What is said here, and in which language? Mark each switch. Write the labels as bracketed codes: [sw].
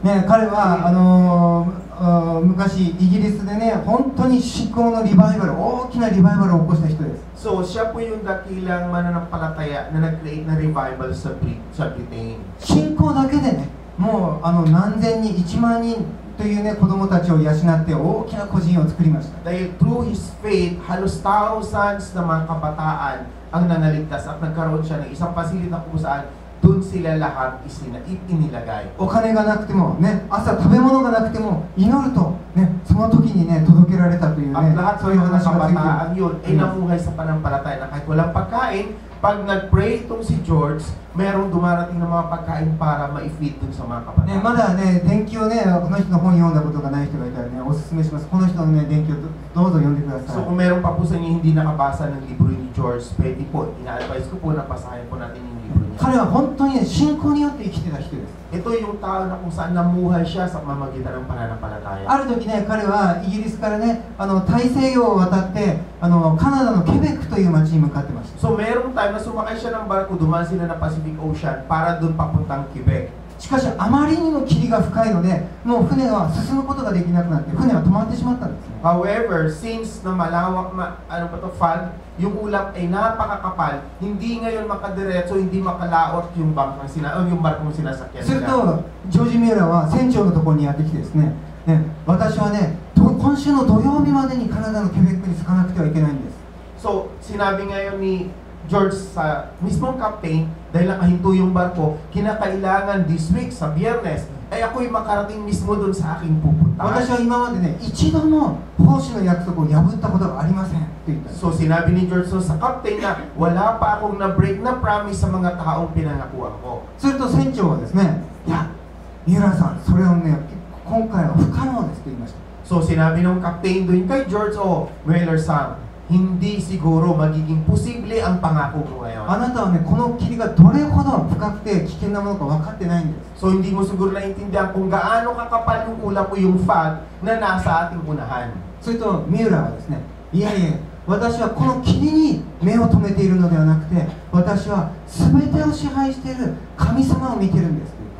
[ja] 彼は、昔イギリスでね、本当に信仰のリバイバル、大きなリバイバルを起こした人です。 [tl] So siya po yung dakilang mananampalataya na nag-create na revival sa Britain. [ja] 信仰だけでね、もう何千人、1万人というね、子供たちを養って大きな個人を作りました。 [tl] Dahil [en] through his faith, [tl] halos thousands na mga kabataan ang nanaligtas at nagkaroon siya ng isang pasilit na kung saan dun sila lahat isinilagay. [ja] お金がなくてもね、朝食べ物がなくても祈るとね、その時にね届けられたというね。 [tl] Lahat sa mga kabataan yun ay namuhay sa pananampalataya na kahit walang pagkain, pag nagpray tong si George, mayroong dumarating ng mga pagkain para ma-feed dun sa mga kapatid. [ja] Ne, mada ne, denkyo ne, この人の本読んだことがない人がいたらね、おすすめします。この人のね、denkyo どうぞ読んでください。 [tl] So, kung meron pa po sa inyo hindi nakabasa ng libro ni George, pwede po, ina-advise ko po na basahin po natin yung libro niya. [ja] 彼は本当に信仰によって生きてた人です。 [tl] Ito yung tao na kung saan namuhay siya sa pamamagitan ng pananampalataya. [ja] ある時ね、彼はイギリスからね、大西洋を渡って、カナダのケベックという町に向かってました。 [tl] So, merong time na sumakay siya ng barko, dumaan sila ng Pacific Ocean para doon papuntang Quebec. [ja] しかし、あまりにも霧が深いので、もう船は進むことができなくなって、船は止まってしまったんです。 [tl] However, since na malawak na, ano pa to, fog, yung ulap ay napakakapal, hindi ngayon makadiretso, hindi makalaot yung bangka ng sina, yung barko ng sinasakyan. [ja] すると、ジョージ・ミューラーは船長のところにやってきてですね、ね、私はね、今週の土曜日までにカナダのケベックに着かなくてはいけないんです。 [tl] So, sinabi ngayon ni George sa mismong captain, dahil nakahinto yung barko, kinakailangan [en] this week [tl] sa Biyernes, ay ako'y makarating mismo dun sa aking pupunta. [ja] 私は今までね、一度も奉仕の約束を破ったことがありませんと言った。 [tl] So, sinabi ni George so, sa captain na wala pa akong na-break na promise sa mga taong pinangakuha ko. [ja] すると船長はですね、いや、ミューラーさん、それをね、今回は不可能ですと言いました。 [tl] So, sinabi ng captain doon kay George O. Miller-san, hindi siguro magiging posible ang pangako ko ngayon. [ja] あなたはね、この霧がどれほど深くて危険なものか分かってないんです。 [tl] So, hindi mo siguro naiintindihan kung gaano kakapal yung ulap o yung fog na nasa ating unahan. [ja] So, ito, Miura はですね、いやいや、私はこの霧に目を留めているのではなくて、私は全てを支配している神様を見てるんです。